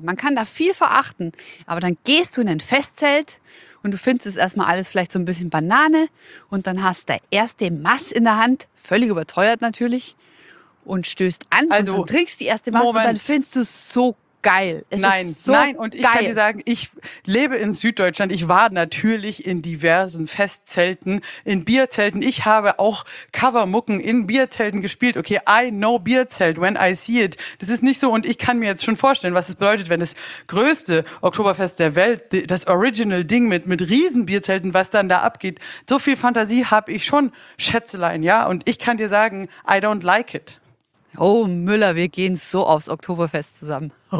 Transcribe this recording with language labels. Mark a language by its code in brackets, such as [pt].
[de] Man kann da viel verachten, aber dann gehst du in ein Festzelt und du findest es erstmal alles vielleicht so ein bisschen Banane und dann hast du erste Mass in der Hand, völlig überteuert natürlich, und stößt an, also, und dann trinkst die erste Mass und dann findest du es so geil. Nein, kann dir sagen, ich lebe in Süddeutschland. Ich war natürlich in diversen Festzelten, in Bierzelten. Ich habe auch Covermucken in Bierzelten gespielt. [en] Okay, I know Bierzelt when I see it. [de] Das ist nicht so. Und ich kann mir jetzt schon vorstellen, was es bedeutet, wenn das größte Oktoberfest der Welt, das Original Ding mit riesen Bierzelten, was dann da abgeht. So viel Fantasie habe ich schon, Schätzelein. Ja, und ich kann dir sagen, [en] I don't like it. [de] Oh, Müller, wir gehen so aufs Oktoberfest zusammen.